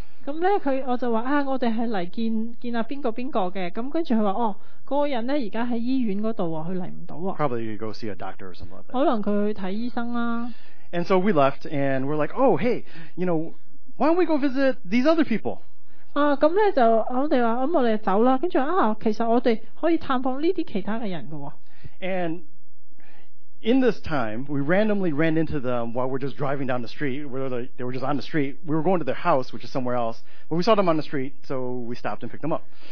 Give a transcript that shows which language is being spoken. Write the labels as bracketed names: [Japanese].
[Cantonese] 咁咧佢我就話啊，我哋係嚟見見阿邊個邊個嘅。咁跟住佢話哦，嗰個人咧而家喺醫院嗰度喎，佢嚟唔到喎。 [English] Probably go see a doctor or something like that. [Cantonese] 可能佢去睇醫生啦。 [English] And so we left, and we're like, oh, hey, you know, why don't we go visit these other people? [Cantonese] 咁呢就我哋話，咁我哋走啦。跟住啊，其實我哋可以探訪呢啲其他嘅人㗎喎。 [English] And in this time, we randomly ran into them while we're just driving down the street. They were just on the street. We were going to their house, which is somewhere else. But we saw them on the street, so we stopped and picked them up.